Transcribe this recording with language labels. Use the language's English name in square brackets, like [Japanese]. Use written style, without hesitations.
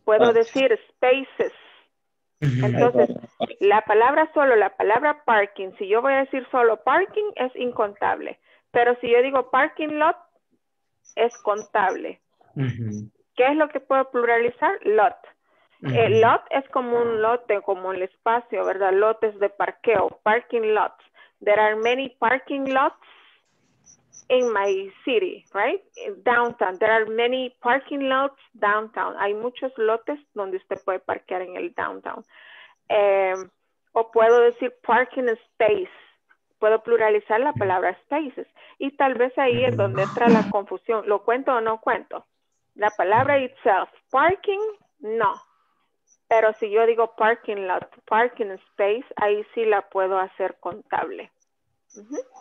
[Spanish] Puedo decir spaces. Entonces, la palabra parking, si yo voy a decir solo parking, es incontable. Pero si yo digo parking lot, es contable. Uh-huh. ¿Qué es lo que puedo pluralizar? Lot. Lot es como un lote, como el espacio, ¿verdad? Lotes de parqueo, parking lots. [English] There are many parking lots in my city, right? Downtown. There are many parking lots downtown. [Spanish] Hay muchos lotes donde usted puede parquear en el downtown. O puedo decir parking space. Puedo pluralizar la palabra spaces. Y tal vez ahí es donde entra la confusión. ¿Lo cuento o no cuento? La palabra itself, parking, no. Pero si yo digo parking lot, parking space, ahí sí la puedo hacer contable. Uh-huh.